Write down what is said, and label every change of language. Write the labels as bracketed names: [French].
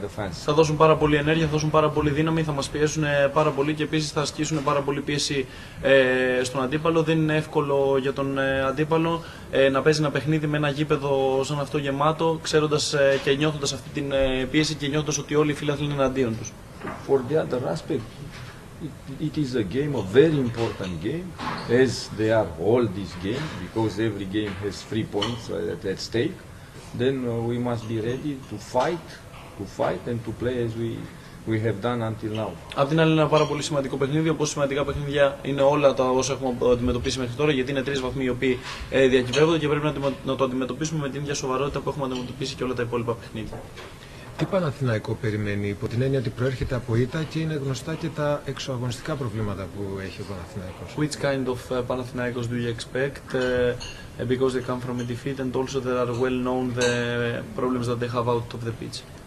[Greek] Θα δώσουν πάρα πολύ ενέργεια, θα δώσουν πάρα πολύ δύναμη, θα μας πιέσουν πάρα πολύ και επίσης θα ασκήσουν πάρα πολύ πίεση στον αντίπαλο. Δεν είναι εύκολο για τον αντίπαλο να παίζει ένα παιχνίδι με ένα γήπεδο σαν αυτό γεμάτο, ξέροντας και νιώθοντας αυτή την πίεση και νιώθοντας ότι όλοι οι φιλάθλοι είναι εναντίον τους. [English] For the other aspect, it is a game, a very important game, as they are all these games, because every game has 3 points at stake. Then we must be ready to fight and to play as we have done until now. [Greek] Απ' την άλλη είναι ένα πάρα πολύ σημαντικό παιχνίδι, όπως σημαντικά παιχνίδια είναι όλα τα όσα έχουμε αντιμετωπίσει μέχρι τώρα, γιατί είναι 3 βαθμοί οι οποίοι διακυβεύονται και πρέπει να το αντιμετωπίσουμε με την ίδια σοβαρότητα που έχουμε αντιμετωπίσει και όλα τα υπόλοιπα παιχνίδια. Τι Παναθηναϊκό περιμένει, υπό την έννοια ότι προέρχεται από ήττα και είναι γνωστά και τα εξωαγωνιστικά προβλήματα που έχει ο Παναθηναϊκός. [English] Which kind of Panathinaikos do you expect, because they come from a defeat and also they are well known the problems that they have out of the pitch?